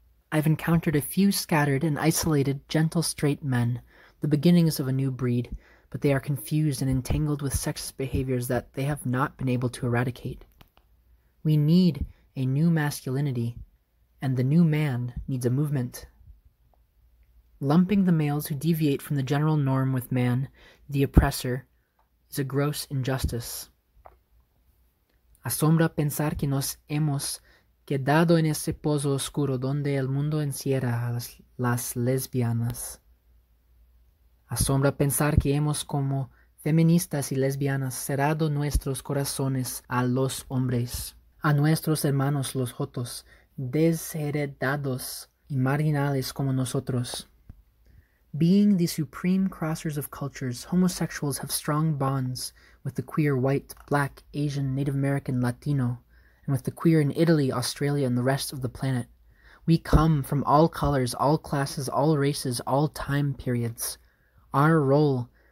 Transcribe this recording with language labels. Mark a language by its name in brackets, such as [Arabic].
[English] I've encountered a few scattered and isolated, gentle, straight men, the beginnings of a new breed, but they are confused and entangled with sexist behaviors that they have not been able to eradicate. We need a new masculinity, and the new man needs a movement. Lumping the males who deviate from the general norm with man, the oppressor, is a gross injustice. [Spanish] Asombra pensar que nos hemos quedado en ese pozo oscuro donde el mundo encierra a las lesbianas. Asombra pensar que hemos como feministas y lesbianas cerrado nuestros corazones a los hombres. A nuestros hermanos los jotos, desheredados y marginales como nosotros. [English] Being the supreme crossers of cultures, homosexuals have strong bonds with the queer white, black, Asian, Native American, Latino, and with the queer in Italy, Australia, and the rest of the planet. We come from all colors, all classes, all races, all time periods. Our role